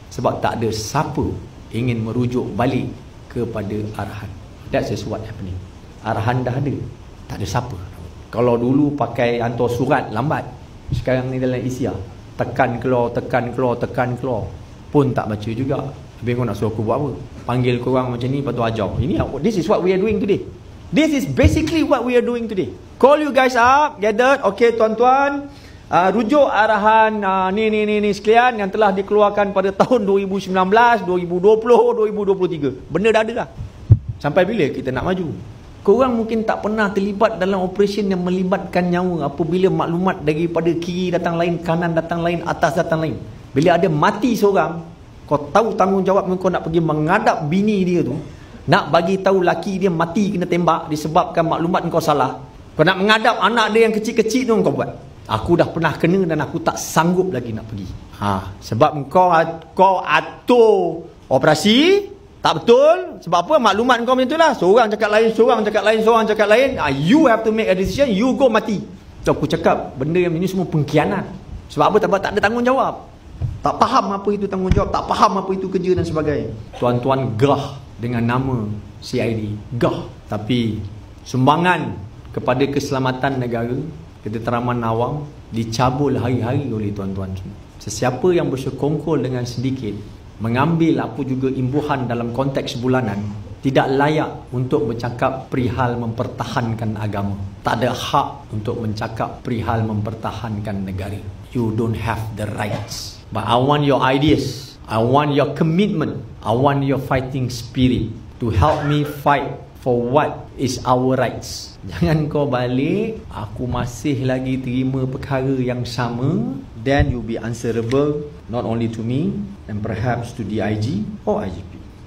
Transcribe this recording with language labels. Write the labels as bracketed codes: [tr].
[ms] Sebab tak ada siapa ingin merujuk balik kepada arahan. [en] That's just what happening. [ms] Arahan dah ada, tak ada siapa. Kalau dulu pakai hantar surat lambat, sekarang ni dalam isya. Tekan keluar. Pun tak baca juga. Habis kau nak suruh aku buat apa? Panggil korang macam ni, lepas tu ajar. [en] Ini, this is what we are doing today. This is basically what we are doing today. Call you guys up, gathered. [ms] Okay, tuan-tuan. Rujuk arahan ni sekalian yang telah dikeluarkan pada tahun 2019, 2020, 2023. Benda dah ada dah. Sampai bila kita nak maju? Korang mungkin tak pernah terlibat dalam operesyen yang melibatkan nyawa apabila maklumat daripada kiri datang lain, kanan datang lain, atas datang lain. Bila ada mati seorang, kau tahu tanggungjawab kau nak pergi mengadap bini dia tu, nak bagi tahu laki dia mati kena tembak disebabkan maklumat kau salah. Kau nak mengadap anak dia yang kecil-kecil tu kau buat. Aku dah pernah kena dan aku tak sanggup lagi nak pergi. Ha, sebab kau atur operasi tak betul. Sebab apa? Maklumat kau macam itulah. Seorang cakap lain, seorang cakap lain, seorang cakap lain. [en] You have to make a decision, you go mati. [ms] So, aku cakap benda yang ini semua pengkhianat. Sebab apa? Tak ada tanggungjawab. Tak faham apa itu tanggungjawab, tak faham apa itu kerja dan sebagainya. Tuan-tuan gah dengan nama CID, gah. Tapi sumbangan kepada keselamatan negara, keteteraman awam dicabul hari-hari oleh tuan-tuan semua. Sesiapa yang bersekongkol dengan sedikit, mengambil apa juga imbuhan dalam konteks bulanan, tidak layak untuk bercakap perihal mempertahankan agama. Tak ada hak untuk mencakap perihal mempertahankan negara. [en] You don't have the rights. But I want your ideas. I want your commitment. I want your fighting spirit to help me fight for what is our rights. [ms] Jangan kau balik, aku masih lagi terima perkara yang sama. [en] Then you'll be answerable not only to me and perhaps to DIG or IGP.